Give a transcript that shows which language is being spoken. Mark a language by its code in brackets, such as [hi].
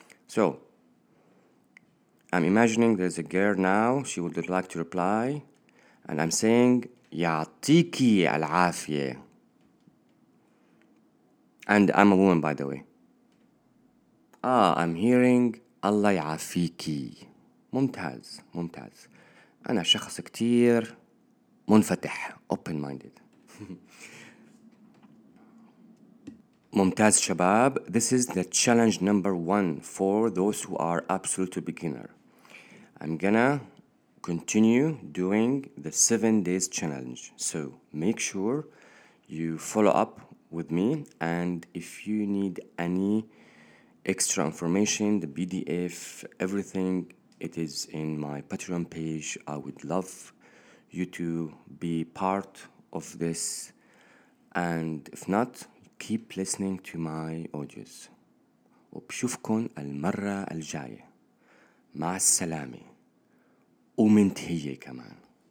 [en] So, I'm imagining there's a girl now, she would like to reply, and I'm saying, يعطيكي العافية. And I'm a woman, by the way. Ah, I'm hearing, [ar] الله يعافيكي. ممتاز, ممتاز. أنا شخص كتير منفتح, open-minded. ممتاز شباب. [en] This is the challenge number one for those who are absolute beginner. I'm gonna continue doing the 7 days challenge. So make sure you follow up with me. And if you need any extra information, the PDF, everything, it is in my Patreon page. I would love you to be part of this. And if not, keep listening to my audios. [ar] وبشوفكن المرة الجاية. مع السلامة. ومنت هي كمان.